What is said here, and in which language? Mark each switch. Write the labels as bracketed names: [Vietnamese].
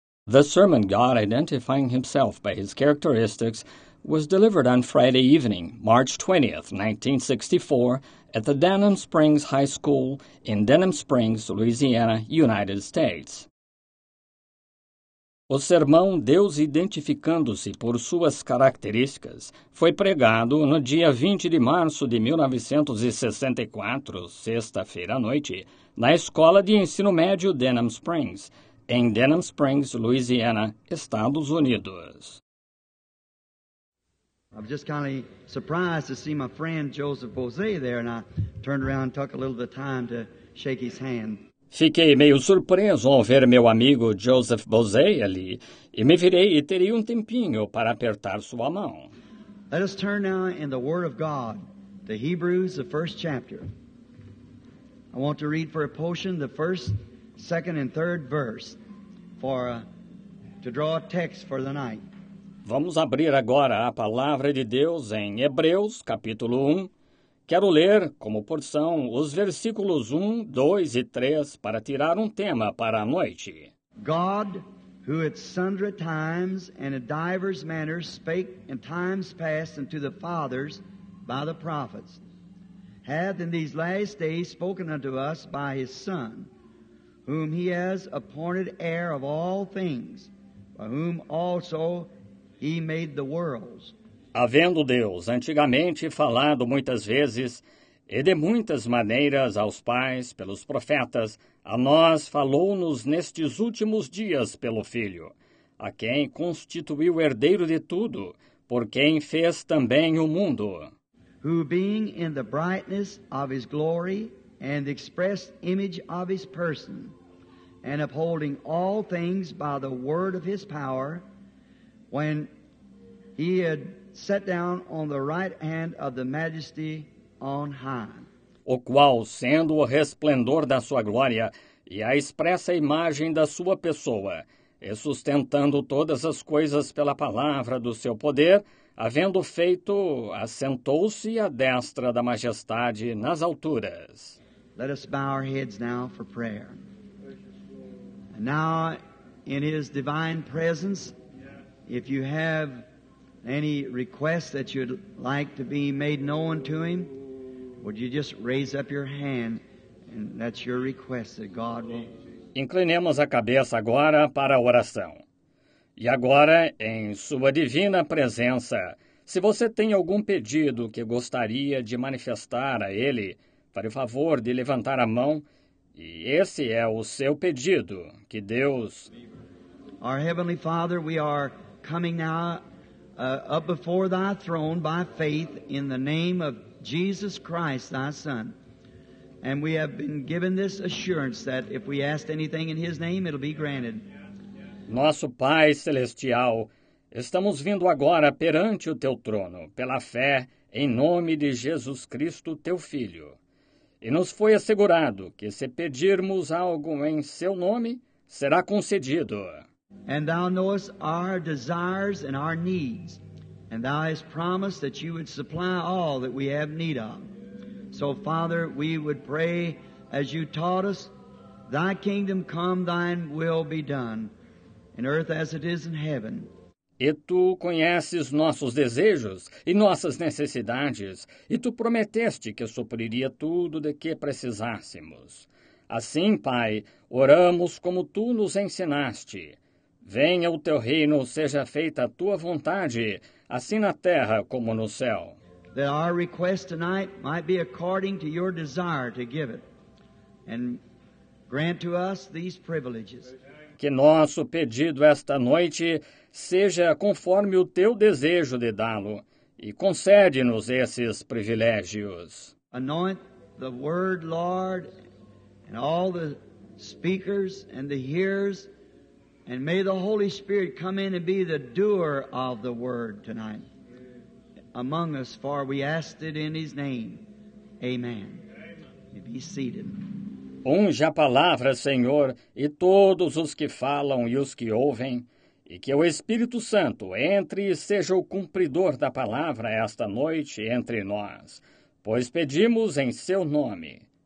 [English] The sermon, God Identifying Himself by His Characteristics, was delivered on Friday evening, March 20, 1964, at the Denham Springs High School in Denham Springs, Louisiana, United States. [Portuguese] O sermão Deus Identificando-se por Suas Características foi pregado no dia 20 de março de 1964, sexta-feira à noite, na Escola de Ensino Médio Denham Springs, em Denham Springs, Louisiana, Estados Unidos. [English] I was just kind of surprised to see my friend Joseph Bosé there, and I turned around and took a little bit of time to shake his hand. [Portuguese] Fiquei meio surpreso ao ver meu amigo Joseph Bosé ali, e me virei e terei tempinho para apertar sua mão. [English] Let us turn now in the Word of God, the Hebrews, the first chapter. I want to read for a portion the first, second, and third verse for to draw a text for the night. [Portuguese] Vamos abrir agora a Palavra de Deus em Hebreus, capítulo 1. Quero ler, como porção, os versículos 1, 2 e 3 para tirar tema para a noite. [English] God, who at sundry times and in divers manners spake in times past unto the fathers by the prophets, hath in these last days spoken unto us by his Son, whom he has appointed heir of all things, by whom also he made the worlds. [Portuguese] Havendo Deus antigamente falado muitas vezes e de muitas maneiras aos pais pelos profetas, a nós falou-nos nestes últimos dias pelo Filho, a quem constituiu herdeiro de tudo, por quem fez também o mundo. [English] Who being in the brightness of his glory and the express image of his person, and upholding all things by the word of his power, when he had sat down on the right hand of the majesty on high. [Portuguese] O qual, sendo o resplendor da sua glória e a expressa imagem da sua pessoa, e sustentando todas as coisas pela palavra do seu poder, havendo feito, assentou-se à destra da majestade nas alturas. [English] Let us bow our heads now for prayer. And now, in his divine presence, if you have any request that you'd like to be made known to him, would you just raise up your hand, and that's your request that God will... [Portuguese] Inclinemos a cabeça agora para a oração. E agora, em sua divina presença, se você tem algum pedido que gostaria de manifestar a ele, fare o favor de levantar a mão, e esse é o seu pedido, que Deus... [English] Our Heavenly Father, we are coming now up before thy throne by faith in the name of Jesus Christ, thy Son. And we have been given this assurance that if we ask anything in his name, it'll be granted. [Portuguese] Nosso Pai Celestial, estamos vindo agora perante o teu trono, pela fé, em nome de Jesus Cristo, teu Filho. E nos foi assegurado que se pedirmos algo em seu nome, será concedido. [English] And thou knowest our desires and our needs, and thou hast promised that you would supply all that we have need of. So, Father, we would pray as you taught us, thy kingdom come, thine will be done, in earth as it is in heaven. [Portuguese] E tu conheces nossos desejos e nossas necessidades, e tu prometeste que supriria tudo de que precisássemos. Assim, Pai, oramos como tu nos ensinaste. Venha o teu reino, seja feita a tua vontade, assim na terra como no céu. [English] That our request tonight might be according to your desire to give it, and grant to us these privileges. [Portuguese] Que nosso pedido esta noite seja conforme o teu desejo de dá-lo, e concede-nos esses privilégios. [English] Anoint the word, Lord, and all the speakers and the hearers. And may the Holy Spirit come in and be the doer of the word tonight among us, for we ask it in his name. Amen. You be seated. [Portuguese] Unja a palavra, Senhor, e todos os que falam e os que ouvem, e que o Espírito Santo entre e seja o cumpridor da palavra esta noite entre nós, pois pedimos em seu nome.